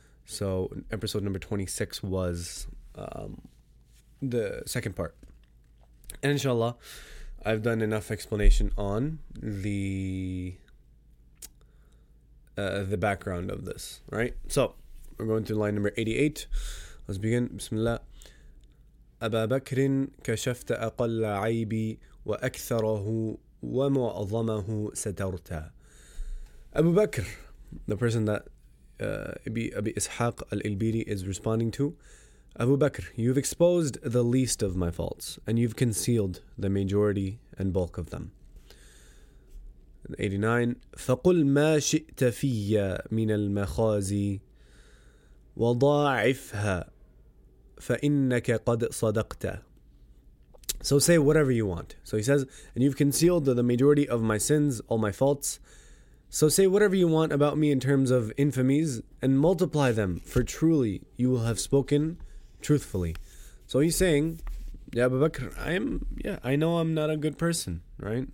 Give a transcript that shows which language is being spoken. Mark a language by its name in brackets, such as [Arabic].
[English] So episode number 26 was the second part. And inshallah, I've done enough explanation on the background of this, right? So we're going to line number 88. Let's begin. Bismillah. [Arabic] أبا بكر كشفت أقل عيبي وأكثره ومعظمه سترت. [English] Abu Bakr, the person that Abi Ishaq al-Ilbiri is responding to. Abu Bakr, you've exposed the least of my faults, and you've concealed the majority and bulk of them. 89. [Arabic] فقل ما شئت في من المخازي وضاعفها فإنك قد صدقت. [English] So say whatever you want. So he says, and you've concealed the majority of my sins, all my faults. So say whatever you want about me in terms of infamies, and multiply them, for truly you will have spoken truthfully. So he's saying, Ya Abu Bakr, I know I'm not a good person, right?